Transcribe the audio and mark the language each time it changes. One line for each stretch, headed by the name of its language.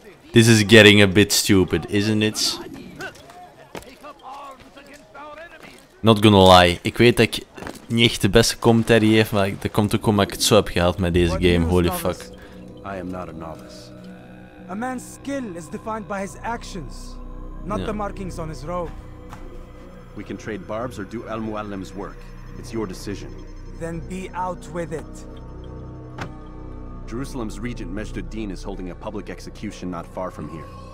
English: This is getting a bit stupid, isn't it? Not gonna lie,
Dutch: ik weet dat ik niet echt de beste commentary heb, maar dat komt ook omdat ik het zo heb gehaald met deze game,
English: holy fuck. I am not a novice. A man's skill is defined by his actions, not the markings on his robe. We can trade barbs or do El Muallim's work. It's your decision. Then be out with it. Jerusalem's regent Majd Addin is holding a public execution not far from here.